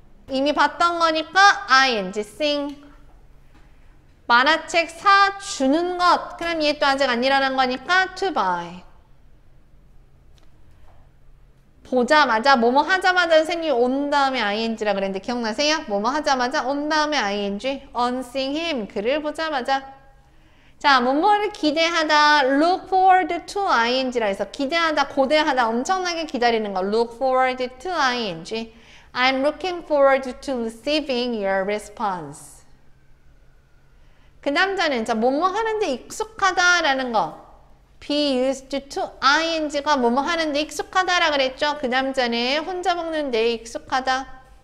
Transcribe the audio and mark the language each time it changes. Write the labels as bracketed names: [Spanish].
[Korean] 이미 봤던 거니까 ing, sing. 만화책 사 주는 것. 그럼 얘또 아직 안 일어난 거니까 to buy. 보자마자 뭐뭐 하자마자 선생님이 온 다음에 ing라 그랬는데 기억나세요? 뭐뭐 하자마자 온 다음에 ing. [English] on seeing him [Korean] 그를 보자마자. 자, 뭐뭐를 기대하다 look forward to ing라 해서 기대하다 고대하다 엄청나게 기다리는 거 look forward to ing. [English] I'm looking forward to receiving your response. [Korean] 그 남자는 자 뭐뭐 하는데 익숙하다라는 거. Be used to ing가 뭐뭐 하는데 익숙하다라 그랬죠? 그 남자는 혼자 먹는데 익숙하다.